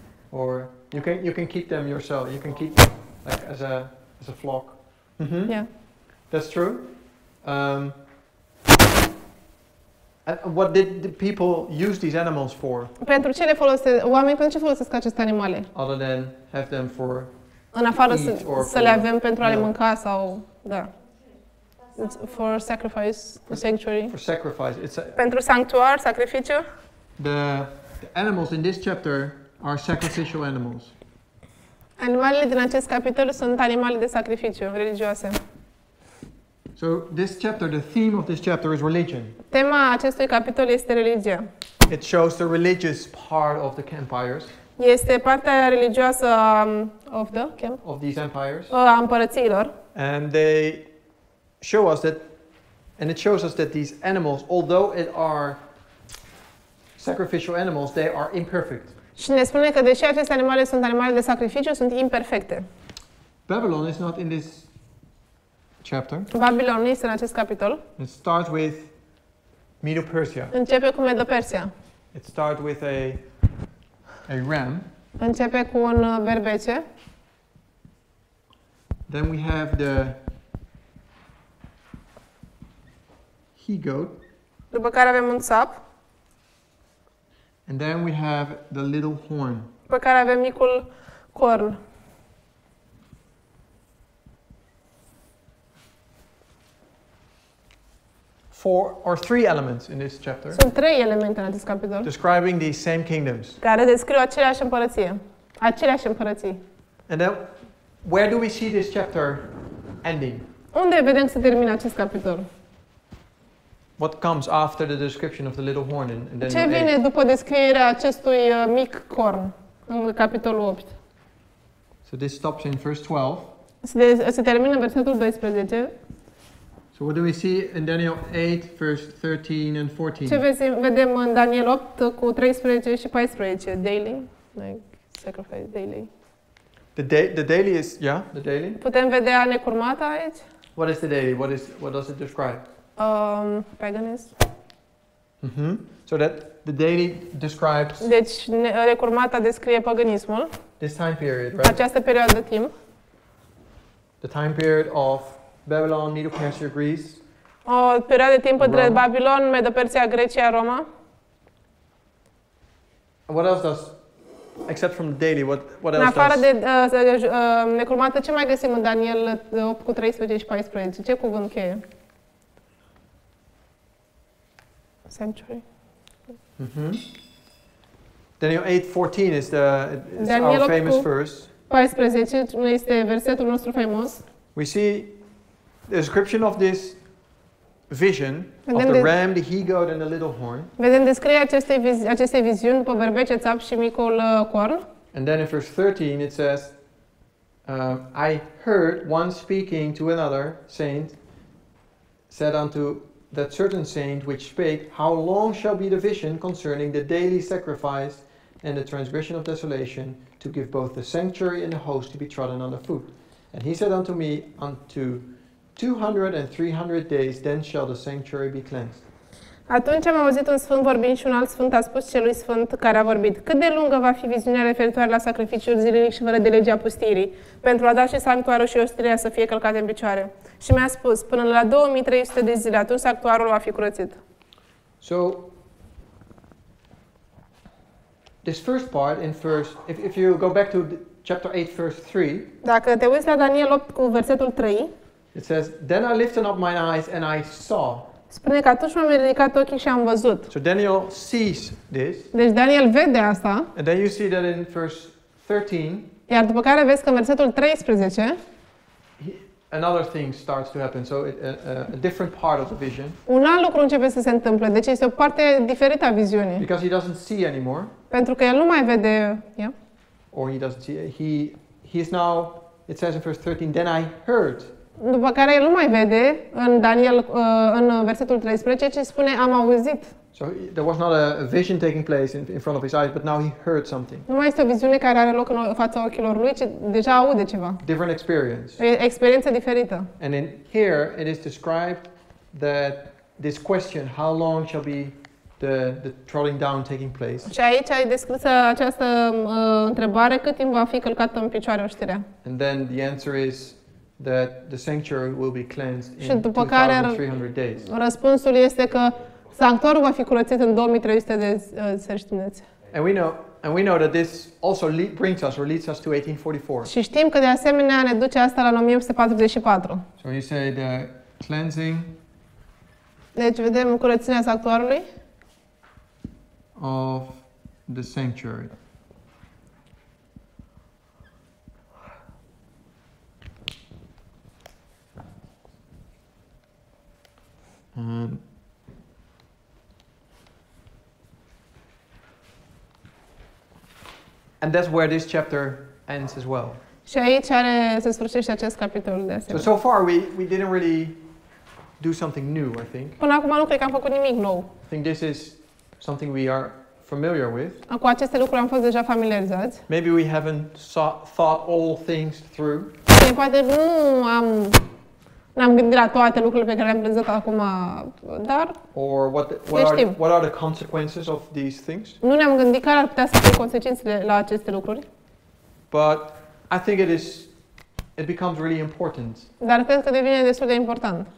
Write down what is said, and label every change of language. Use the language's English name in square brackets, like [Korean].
[English] Or You can keep them yourself. You can keep them like as a flock. Mm-hmm. Yeah. That's true. What did the people use these animals for? [Romanian] Pentru ce le folosesc oamenii? Pentru ce folosesc aceste animale? [English] Other than have them for [Romanian] în afară să, să le avem pentru a le mânca sau da. [English] It's for sacrifice, for sanctuary. For sacrifice. It's [Romanian] pentru sanctuar, sacrificiu. [English] The animals in this chapter are sacrificial animals. [Romanian] Animalele din acest capitol sunt animale de sacrificiu, religioase. [English] So this chapter, the theme of this chapter is religion. [Romanian] Tema acestui capitol este religia. [English] It shows the religious part of the empires. [Romanian] Este partea religioasă [English] of the camp. Of these empires. [Romanian] A împărățiilor. [English] And they show us that, and it shows us that these animals, although it are sacrificial animals, they are imperfect. [Romanian] Și ne spune că deși aceste animale sunt animale de sacrificiu, sunt imperfecte. [English] Babylon is not in this chapter. [Romanian] Babylon nu este în acest capitol. [English] It starts with Medo-Persia. [Romanian] Începe cu Medo-Persia. [English] It starts with a ram. [Romanian] Începe cu un berbece. [English] Then we have the he-goat. [Romanian] După care avem un sap. [English] And then we have the little horn. [Romanian] După care avem micul corn. [English] Four or three elements in this chapter. [Romanian] Sunt trei elemente în acest capitol. [English] Describing these same kingdoms. [Romanian] Care descriu aceleași împărăție. Aceleași împărății. [English] And then, where do we see this chapter ending? [Romanian] Unde vedem să termină acest capitol? [English] What comes after the description of the little horn in Daniel 8? [Romanian] Ce vine după descrierea acestui mic corn în capitolul 8? [English] So this stops in verse 12. [Romanian] Se termină în versetul 12. [English] So what do we see in Daniel 8, verse 13 and 14? [Romanian] Ce vedem în Daniel 8 cu 13 și 14? [English] Daily, like sacrifice daily. The daily is the daily. [Romanian] Putem vedea necurmata aici? [English] What is the daily? What does it describe? Paganism. Mm-hmm. So that the daily describes. [Romanian] Deci recurmata descrie paganismul. [English] This time period, right? [Romanian] Această perioadă de timp. [English] The time period of Babylon, Medo-Persia, Greece. [Romanian] O perioadă de timp între Babilon, Medo-Persia, Grecia, Roma. [English] What else does, except from the daily, what else [Romanian] does? În afară de recurmata, ce mai găsim în Daniel 8 cu 13 și 14? Ce cuvânt cheie? [English] Sanctuary. Mm-hmm. Daniel 8:14 is our famous verse. [Romanian] 14 este versetul nostru famos. [English] We see the description of this vision of the ram, the he-goat and the little horn. [Romanian] Vedem descrierea acestei viziuni după berbece, țap și micul corn. [English] And then in verse 13 it says, I heard one speaking to another saint, said unto that certain saint which spake, how long shall be the vision concerning the daily sacrifice and the transgression of desolation to give both the sanctuary and the host to be trodden under foot? And he said unto me, unto 200 and 300 days, then shall the sanctuary be cleansed. [Romanian] Atunci am auzit un sfânt vorbind și un alt sfânt a spus celui sfânt care a vorbit, cât de lungă va fi viziunea referitoare la sacrificiul zilnic și fără de legea pustirii, pentru a da și sanctuarul și ostirea să fie călcate în picioare. Și mi-a spus, până la 2300 de zile, atunci sanctuarul va fi curățit. [English] So, this first part, in first, if you go back to chapter 8, verse 3, [Romanian] dacă te uiți la Daniel 8 cu versetul 3, [English] it says, then I lifted up mine eyes and I saw. [Romanian] Spune că atunci m-am ridicat ochii și am văzut. [English] So Daniel sees this. [Romanian] Deci Daniel vede asta. [English] And then you see that in verse 13. [Romanian] Iar după care vezi că în versetul 13. [English] Another thing starts to happen. So a different part of the vision. [Romanian] Un alt lucru începe să se întâmple. Deci este o parte diferită a viziunii. [English] Because he doesn't see anymore. [Romanian] Pentru că el nu mai vede. Yeah. [English] Or he doesn't see. He is now, it says in verse 13, then I heard. [Romanian] După care el nu mai vede în Daniel în versetul 13 ce spune am auzit. [English] So there was not a vision taking place in front of his eyes, but now he heard something. [Romanian] Nu mai este o viziune care are loc în fața ochilor lui, ci deja aude ceva. [English] Different experience. [Romanian] O experiență diferită. [English] And in here it is described that this question, how long shall be the trotting down taking place. [Romanian] Și aici ai descris această întrebare, cât timp va fi călcată în picioare oștirea? [English] And then the answer is that the sanctuary will be cleansed [Romanian] și [English] in 2300 days. [Romanian] Răspunsul este că sanctuarul va fi curățit în 2300 de săptămâni. [English] And we know that this also brings us or leads us to 1844. [Romanian] Și știm că de asemenea ne duce asta la 1844. [English] So you say the cleansing. [Romanian] Deci vedem curățirea sanctuarului. [English] Of the sanctuary. And that's where this chapter ends as well. [Romanian] Și aici are se sfârșește acest capitol de asemenea. [English] So far we didn't really do something new, I think. [Romanian] Până acum nu cred că am făcut nimic nou. [English] I think this is something we are familiar with. [Romanian] Cu aceste lucruri am fost deja familiarizat. [English] Maybe we haven't thought all things through. [Romanian] Poate nu am n-am gândit la toate lucrurile pe care le-am prezentat acum, dar [English] or what are the consequences of these things? [Romanian] Nu ne-am gândit care ar putea să fie consecințele la aceste lucruri. [English] But I think it becomes really important. [Romanian] Dar cred că devine destul de important.